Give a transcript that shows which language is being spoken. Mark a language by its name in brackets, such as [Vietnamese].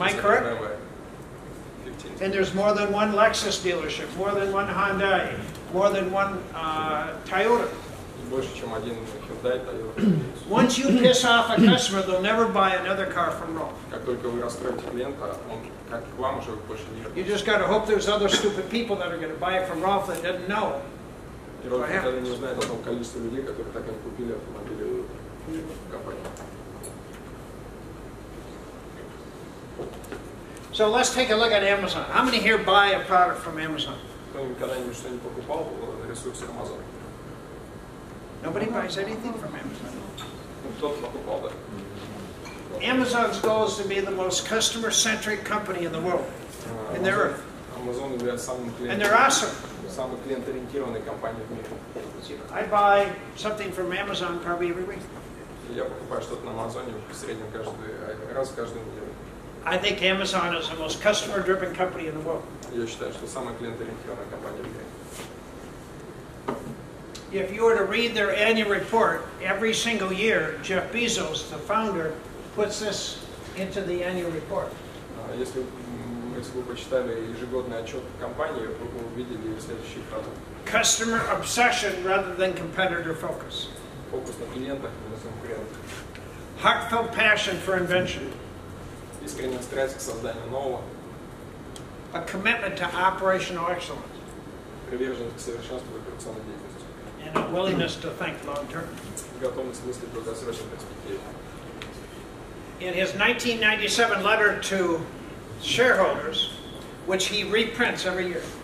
[English] BMW. Am I correct? And there's more than one Lexus dealership, more than one Hyundai, more than one Toyota. [Russian] Больше, чем один Hyundai, Toyota. [English] Once you piss off a customer, they'll never buy another car from Rolf. [Russian] Как только вы расстроите клиента, он как к вам уже больше не вернется. [English] You just gotta hope there's other stupid people that are gonna buy it from Rolf that didn't know. [Russian] И Рольф никогда не узнает о том количестве людей, которые так и не купили автомобили в компании. [English] So let's take a look at Amazon. How many here buy a product from Amazon? [Russian] Кто-нибудь что-нибудь покупал на ресурсе Amazon? [English] Nobody buys anything from Amazon. [Russian] Кто-то покупал, да? [English] Amazon's goal is to be the most customer-centric company in the world, in their earth. [Russian] Amazon является самым клиентом. [English] And they're awesome. [Russian] самых клиент-ориентированных компаний в мире. [English] I buy something from Amazon probably every week. [Russian] Я покупаю что-то на Амазоне в среднем каждый раз в каждую неделю. [English] I think Amazon is the most customer-driven company in the world. [Russian] Я считаю, что самая клиент-ориентированная компания в мире. [English] If you were to read their annual report every single year, Jeff Bezos, the founder, puts this into the annual report. [Russian] Если мы с вами почитали ежегодный отчет компании, вы увидели следующие фразы. [English] Customer obsession rather than competitor focus. [Russian] Фокус на клиентах, не на конкурентах. [English] Heartfelt passion for invention. [Russian] Искренняя страсть к созданию нового. [English] A commitment to operational excellence. [Russian] Приверженность к совершенству в операционной деятельности. [English] And a willingness to think long term. [Russian] Готовность мыслить в долгосрочной перспективе. [English] In his 1997 letter to shareholders, which he reprints every year.